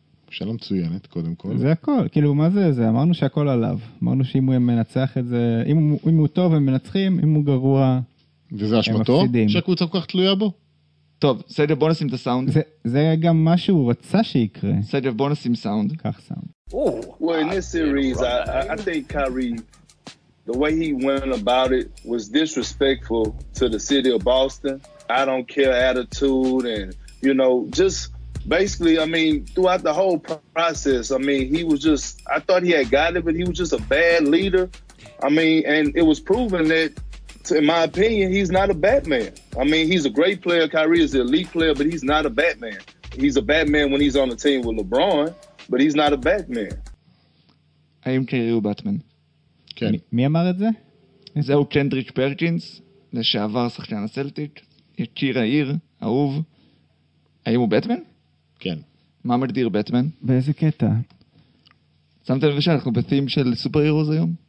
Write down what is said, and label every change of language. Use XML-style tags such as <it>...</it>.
<he>שאלה מצוינת, קודם כל. זה הכל, כאילו מה זה זה? אמרנו שהכל עליו. אמרנו שאם הוא מנצח את זה, אם הוא טוב הם מנצחים, אם הוא גרוע הם מפסידים. וזה אשמתו? שהקבוצה כל כך תלויה בו? טוב, סדר, בוא נשים את הסאונד. זה היה גם מה שהוא רצה שיקרה. סדר, בוא נשים סאונד. כך סאונד.</he> <en>Well, in this series, I think Kyrie, the way he went about it was disrespectful to the city of Boston. I don't care attitude and, you know, just basically, I mean, throughout the whole process, I mean, he was just, I thought he had got it, but he was just a bad leader. I mean, and it was proven that in my opinion, he's not a Batman. I mean, he's a great player. Kyrie is an elite player, but he's not a Batman. He's a Batman when he's on the team with LeBron, but he's not a Batman.</en> <he>האם קיירי הוא בטמן? כן. מי אמר את זה? זהו קנדריק פרקינס, לשעבר שחקן הסלטיק, יקיר העיר, אהוב. האם הוא בטמן? כן. מה מגדיר בטמן? באיזה קטע? שמת לב שאנחנו בתים של סופר הירוז היום?</he>